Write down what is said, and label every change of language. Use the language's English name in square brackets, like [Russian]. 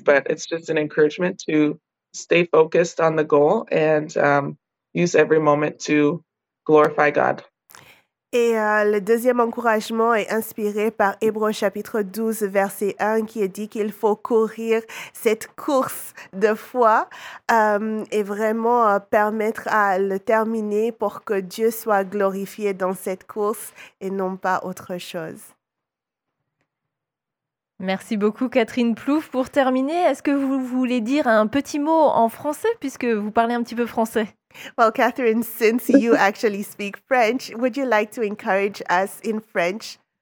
[English] But it's just an encouragement to stay focused on the goal and use every moment to glorify God. [French] Et le deuxième encouragement est inspiré par Hébreux chapitre 12, verset 1, qui est dit qu'il faut courir cette course de foi et vraiment permettre à le terminer pour que Dieu soit glorifié dans cette course et non pas autre chose. Merci beaucoup, Catherine Plouffe. Pour terminer, est-ce que vous voulez dire un petit mot en français, puisque vous parlez un petit peu français? [English] Well, Catherine, since you actually speak French, would you like to encourage us in French?